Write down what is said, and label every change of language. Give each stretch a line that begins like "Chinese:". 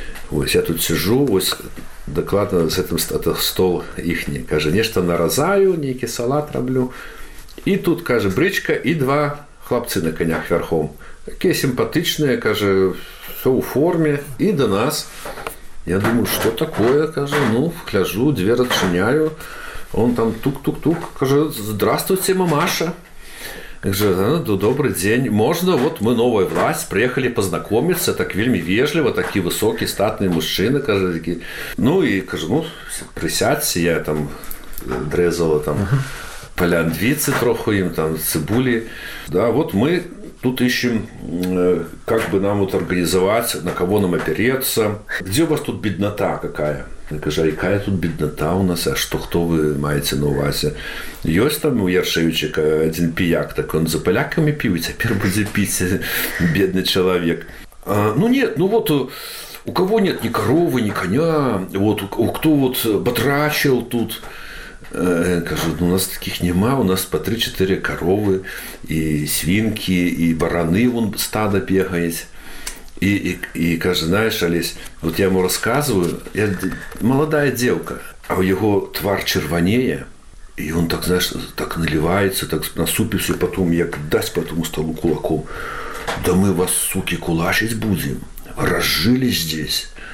Belarusian: Вось я тут сижу, вось дакладна з гэтым стол іхні, кажа, нешта наразаю, нейкі салат раблю. І тут, кажа, брычка і два хлапцы на конях верхом. Такія сімпатычныя, кажа, ўсё ў форме і да нас. Я думаю, што такое, кажа, ну, гляджу, дзверы адчыняю. Он там тук-тук-тук, кажа,
Russian: здравствуйте, мамаша.
Belarusian: Кажа, ну, добрый дзень, можна,
Russian: вот мы новая власть,
Belarusian: прыехалі пазнакоміцца, так вельмі вежліва, такі высокі, статны мужчына, кажа, такі. Ну і кажа, ну, прысядзь, я там дрэзала там паляндвіцы троху ім, там цыбулі.
Russian: Да, вот мы тут ішім, как бы нам вот арганізаваць, на каго нам апереться. Дзе у вас тут беднота какая?
Belarusian: Кажа, якая тут беднота ў нас, а што, хто вы маеце на увазе? Ёсць там у Яршевіча адзін піяк, так он за палякамі піў, цяпер будзе піць бедны чалавек.
Russian: Ну нет, ну вот у каго нет ні каровы, ні каня, вот у хто вот батрачыл тут?
Belarusian: Кажу, ну у нас таких нема, у нас по 3-4 каровы, і свінкі, і бараны вон стада бегаюць. І кажа, знаеш, Алесь, вот я яму расказваю, я маладая дзеўка, а ў яго твар чырванее, і ён так, знаеш, так наліваецца, так насупіўся, потом як дасць па тому сталу кулаком,
Russian: да мы вас, сукі, кулашыць будзем, разжылі здесь.